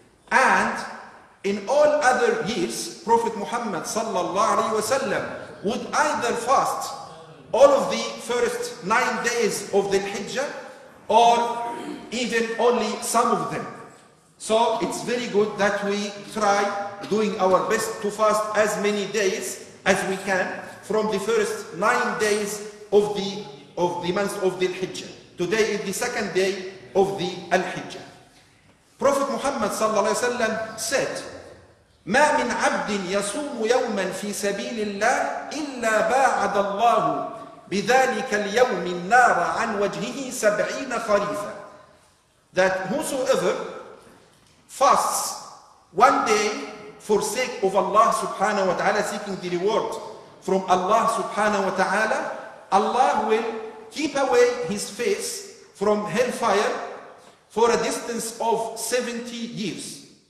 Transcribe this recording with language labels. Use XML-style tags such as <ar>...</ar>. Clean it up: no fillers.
<en>And in all other years, Prophet Muhammad sallallahu alayhi wa sallam would either fast all of the first 9 days of the Hijjah, or even only some of them. So it's very good that we try doing our best to fast as many days as we can from the first 9 days of the month of the Hijjah. Today is the second day of the Al-Hijjah.</en> <ar>Prophet Muhammad sallallahu alaihi wasallam said, ما من عبد يصوم يوما في سبيل الله إلا باعد الله بذلك اليوم النار عن وجهه 70 خريفا.</ar> <en>That whosoever fasts one day for sake of Allah subhanahu wa ta'ala, seeking the reward from Allah subhanahu wa ta'ala, Allah will keep away his face from hellfire for a distance of 70 years.</en>